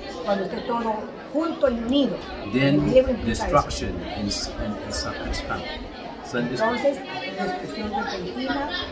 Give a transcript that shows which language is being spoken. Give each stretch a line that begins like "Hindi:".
Spanish: Cuando esté todo junto y unido.
English: Then destruction is coming.
Spanish: Entonces, destrucción repentina